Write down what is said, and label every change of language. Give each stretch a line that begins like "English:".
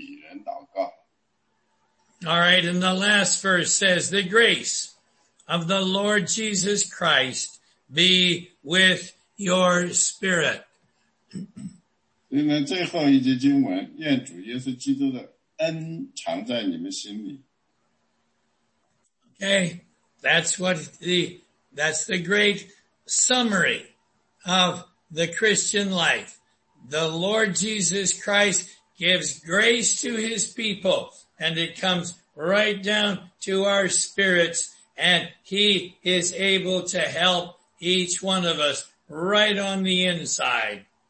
Chinese: 我认为在凯撒家里的那些基督徒呢，他们一直在为腓立比人祷告。
English: All right, and the last verse says, the grace of the Lord Jesus Christ be with your spirit.
Chinese: 所以呢，最后一节经文，愿主耶稣基督的恩常在你们心里。
English: Okay, that's the great summary of the Christian life. The Lord Jesus Christ gives grace to his people and it comes right down to our spirits and he is able to help each one of us right on the inside.